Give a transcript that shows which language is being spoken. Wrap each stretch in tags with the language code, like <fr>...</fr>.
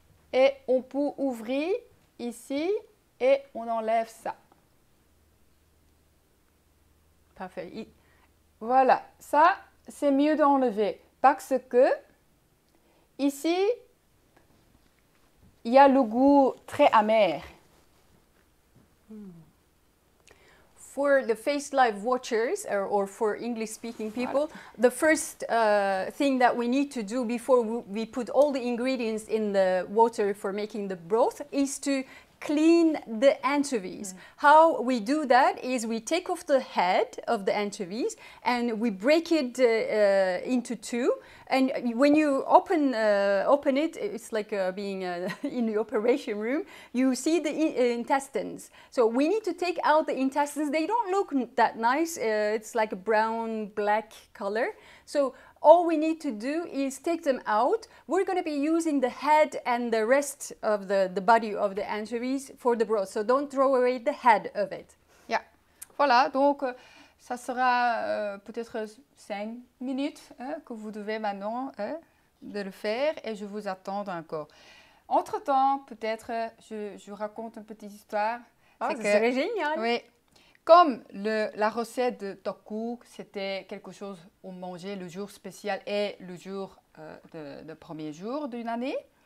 <fr>Et on peut ouvrir ici et on enlève ça. Parfait. Voilà, ça c'est mieux d'enlever parce que ici il y a le goût très amer.</fr> <en>For the Face Live watchers or for English speaking people, the first thing that we need to do before we put all the ingredients in the water for making the broth is to clean the anchovies. Mm. How we do that is we take off the head of the anchovies and we break it into two. And when you open it, it's like being in the operation room, you see the intestines. So we need to take out the intestines. They don't look that nice. It's like a brown, black color. So all we need to do is take them out. We're going to be using the head and the rest of the body of the anchovies for the broth. So don't throw away the head of it. Yeah.</en> <fr>Voilà, donc ça sera peut-être 5 minutes que vous devez maintenant de le faire et je vous attends encore. Entre-temps, peut-être je raconte une petite histoire. Oh, c'est que, serait génial. Oui. Comme la recette de Tokku, c'était quelque chose où on mangeait le jour spécial et le jour de premier jour d'une année.</fr>